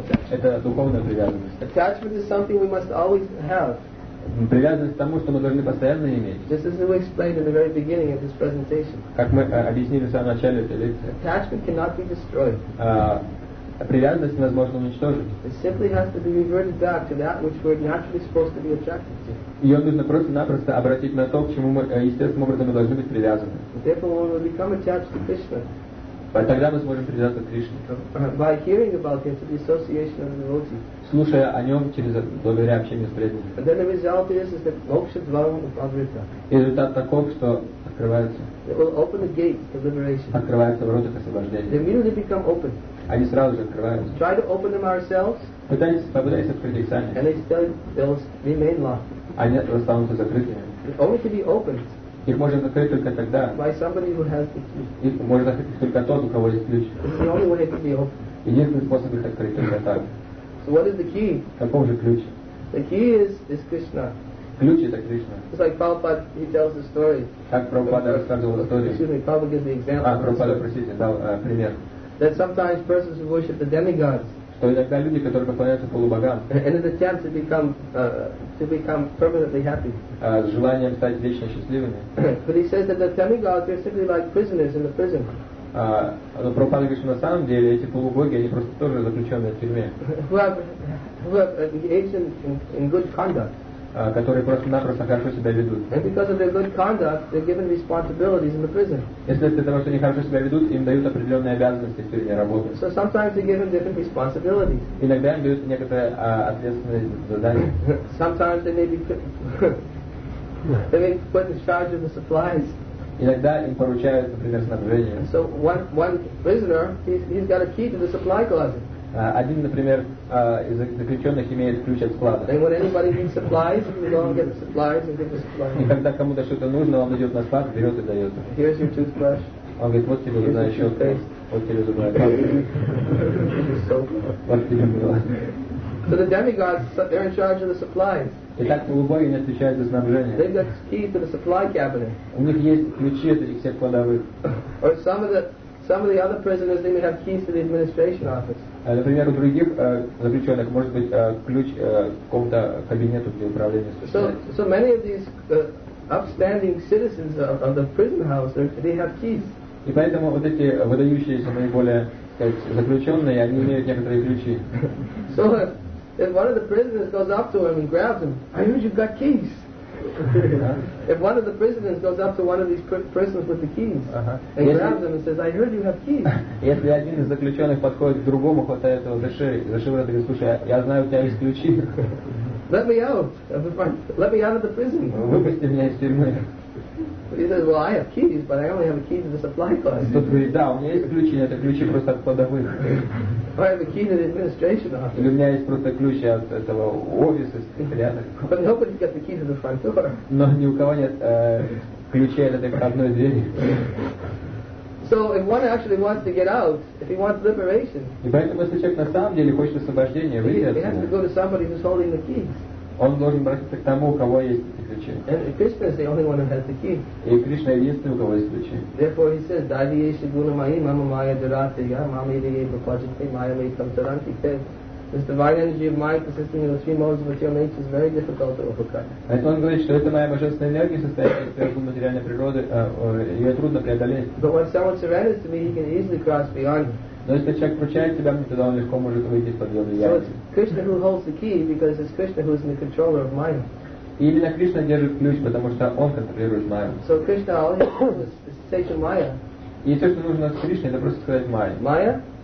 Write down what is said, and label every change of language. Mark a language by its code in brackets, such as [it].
[ru] Это духовная привязанность. [en] Attachment is something we must always have. [ru] Привязанность к тому, что мы должны постоянно иметь. [en] Just as we explained in the very beginning of this presentation. [ru] Как мы объяснили в самом начале этой лекции. [en] Attachment cannot be destroyed. [ru] Привязанность невозможно уничтожить. [en] It simply has to be reverted back to that which we're naturally supposed to be attracted to. [ru] Ее нужно просто-напросто обратить на то, к чему мы естественным образом мы должны быть привязаны. [en] Therefore, when we become attached to Krishna. [ru] Тогда мы сможем привязаться к Кришне. [en] By hearing about him through the association of the devotees. [ru] Слушая о нем через благодаря общению с преданными. [en] But then the result is that [sa] moksha dvaram upavrita. [ru] Результат таков, что открывается. [en] It will open the gates to liberation. [ru] Открываются ворота к освобождению. [en] They immediately become open. [ru] Они сразу же открываются. [en] Try to open them ourselves. [ru] Попытайтесь открыть их сами. [en] And they still will remain locked. [ru] Они останутся закрытыми. [en] Only to be opened. [ru] Их можно открыть только тогда. [en] By somebody who has the key. [ru] Их можно открыть только тот, у кого есть ключ. [en] It's the only way it can be opened. [ru] Единственный способ их открыть только так. [en] So what is the key? [ru] Каков же ключ? [en] The key is Krishna. [ru] Ключ это Кришна. [en] It's like Prabhupada, he tells the story. [ru] Как Прабхупада рассказывал историю. [en] Excuse me, Prabhupada gives the example. [ru] А, Прабхупада, простите, дал пример. [en] That sometimes persons who worship the demigods. [ru] Что иногда люди, которые поклоняются полубогам. [en] And it's a chance to become permanently happy. [ru] С желанием стать вечно счастливыми. [en] But he says that the demigods are simply like prisoners in the prison. [ru] Но Прабхупада говорит, что на самом деле эти полубоги, они просто тоже заключенные в тюрьме. [en] Who have engaged in good conduct. [ru] Которые просто-напросто хорошо себя ведут. [en] And because of their good conduct, they're given responsibilities in the prison. [ru] Если это того, что они хорошо себя ведут, им дают определенные обязанности в тюрьме работы. [en] So sometimes they give them different responsibilities. [ru] Иногда им дают некоторые ответственные задания. [en] Sometimes they may be put in charge of the supplies. [ru] Иногда им поручают, например, снабжение. [en] So one prisoner, he's got a key to the supply closet. [ru] Один, например, из заключенных имеет ключ от склада. [en] And when anybody needs supplies, he can go and get the supplies and give the supplies. [ru] И когда кому-то что-то нужно, он идет на склад, берет и дает. [en] Here's your toothbrush. [ru] Он говорит, вот тебе зубная щетка. Вот тебе зубная паста. Вот тебе мыло. [en] So the demigods, they're in charge of the supplies. [ru] Итак, полубоги не отвечают за снабжение. [en] They've got key to the supply cabinet. [ru] У них есть ключи от этих всех кладовых. [en] Or some of the other prisoners, they may have keys to the administration office. [ru] Например, у других заключенных может быть ключ к какому-то кабинету для управления. [en] So many of these upstanding citizens of the prison house, they have keys. [ru] И поэтому вот эти выдающиеся наиболее заключенные, они имеют некоторые ключи. [en] So if one of the prisoners goes up to him and grabs him, I heard you've got keys. If one of the prisoners goes up to one of these prisoners with the keys and grabs them and says, I heard you have keys. [ru] Если один из заключенных подходит к другому, хватает этого за шею, говорит, слушай, я знаю, у тебя есть ключи. [en] Let me out. Let me out of the prison. [ru] Выпусти меня из тюрьмы. [en] He says, well, I have keys, but I only have a key to the supply closet. [ru] Тот говорит, да, у меня есть ключи, это ключи просто от кладовых. [en] I have a key to the administration office. [ru] Или у меня есть просто ключи от этого офиса, секретаря. [en] But nobody gets the key to the front door. [ru] Но ни у кого нет ключей от этой входной двери. [en] So if one actually wants to get out, if he wants liberation, [ru] и поэтому, если человек на самом деле хочет освобождения, выйти отсюда, [en] he has to go to somebody who's holding the keys. [ru] Он должен обратиться к тому, у кого есть эти ключи. [en] And Krishna is the only one who has the key. [ru] И Кришна единственный, у кого есть ключи. [sa] Therefore he says, Dadi Yeshi Guna Mahi Mama Maya Duratiya Mama Yidhi Bhapajati Maya Mahi Tam Taranti. [en] This divine energy of mind consisting of the three modes of material nature is very difficult to overcome. [ru] Это он говорит, что это моя божественная энергия, состоящая из трех материальной природы, ее трудно преодолеть. [en] But when someone surrenders to me, he can easily cross beyond. [ru] Но если человек вручает тебя, тогда он легко может выйти из-под его влияния. И именно Кришна держит ключ, потому что он контролирует майю. [en] So Krishna, all he has is to say to Maya. [ru] И то, что нужно от Кришны, это просто сказать Майя. Майя?